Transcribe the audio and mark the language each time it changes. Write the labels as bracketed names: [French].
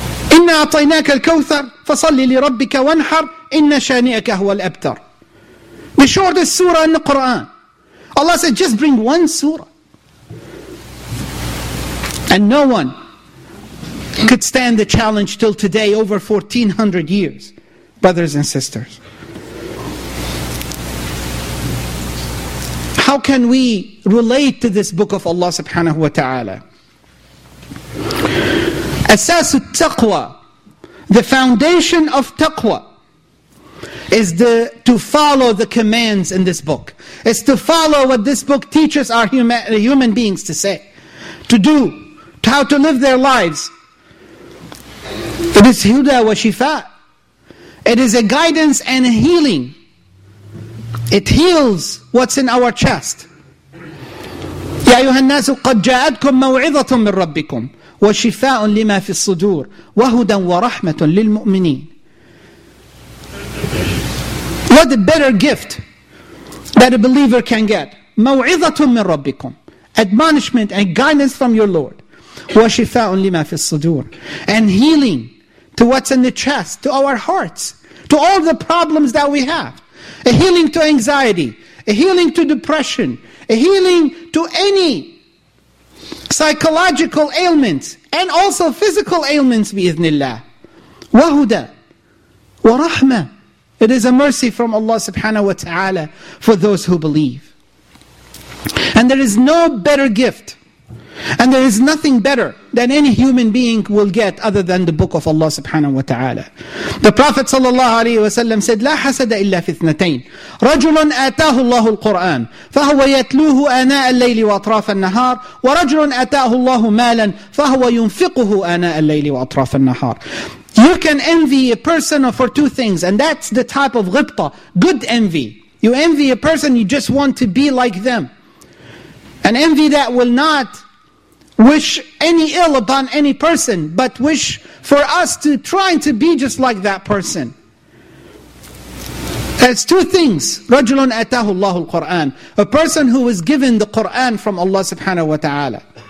[Arabic] إِنَّا أَعْطَيْنَاكَ الْكَوْثَرَ فَصَلِّ لِرَبِّكَ وَانْحَرْ إِنَّ شَانِئَكَ هُوَ الْأَبْتَرِ. [English] The shortest surah in the Quran. Allah said, just bring one surah. And no one could stand the challenge till today, over 1400 years, brothers and sisters. How can we relate to this book of Allah subhanahu wa ta'ala? Asas al-taqwa, the foundation of taqwa, is to follow the commands in this book. It's to follow what this book teaches our human beings to say, to do, to how to live their lives. It is [Arabic] huda wa shifa. [English] It is a guidance and a healing. It heals what's in our chest. [Arabic] يا أيها الناس قد جاءتكم موعظة من ربكم وشفاء لما في الصدور وهدى ورحمة للمؤمنين. [English] What a better gift that a believer can get. [Arabic] موعظة من ربكم. [English] Admonishment and guidance from your Lord. [Arabic] وشفاء لما في الصدور. [English] And healing to what's in the chest, to our hearts, to all the problems that we have. A healing to anxiety, a healing to depression, a healing to any psychological ailments, and also physical ailments, bi-ithnillah. [Arabic] وَهُدَى وَرَحْمَةً. [English] It is a mercy from Allah subhanahu wa ta'ala for those who believe. And there is no better gift, and there is nothing better than any human being will get other than the book of Allah subhanahu wa ta'ala. [Arabic] The Prophet sallallahu alayhi wa sallam said, لَا حَسَدَ إِلَّا فِي اثْنَتَيْنِ رَجُلٌ آتَاهُ اللَّهُ الْقُرْآنِ فَهُوَ يَتْلُوهُ آنَاءَ اللَّيْلِ وَأَطْرَافَ النَّهَارِ وَرَجُلٌ آتَاهُ اللَّهُ مَالًا فَهُوَ يُنْفِقُهُ آنَاءَ اللَّيْلِ وَأَطْرَافَ النَّهَارِ. [English] You can envy a person for two things, and that's the type of غِبْطَة, good envy. You envy a person, you just want to be like them. An envy that will not wish any ill upon any person, but wish for us to try to be just like that person. There's two things. [Arabic] رَجُلٌ أَتَاهُ اللَّهُ الْقُرْآنِ [English] A person who was given the Qur'an from Allah subhanahu wa ta'ala.